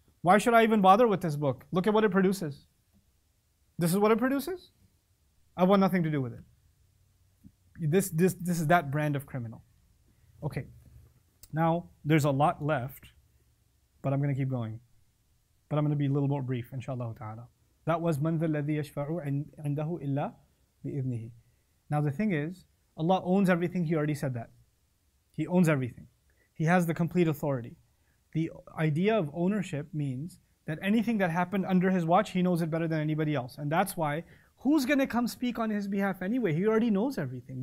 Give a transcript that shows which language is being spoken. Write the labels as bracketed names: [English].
[English] Why should I even bother with this book? Look at what it produces. This is what it produces? I want nothing to do with it. This is that brand of criminal. Okay, now there's a lot left, but I'm going to keep going. But I'm going to be a little more brief, inshallah ta'ala. That was, [Arabic] مَنْ ذَلَّذِي يَشْفَعُ عِنْدَهُ إِلَّا بِإِذْنِهِ. [English] Now the thing is, Allah owns everything. He already said that. He owns everything. He has the complete authority. The idea of ownership means that anything that happened under his watch, he knows it better than anybody else. And that's why, who's going to come speak on his behalf anyway? He already knows everything.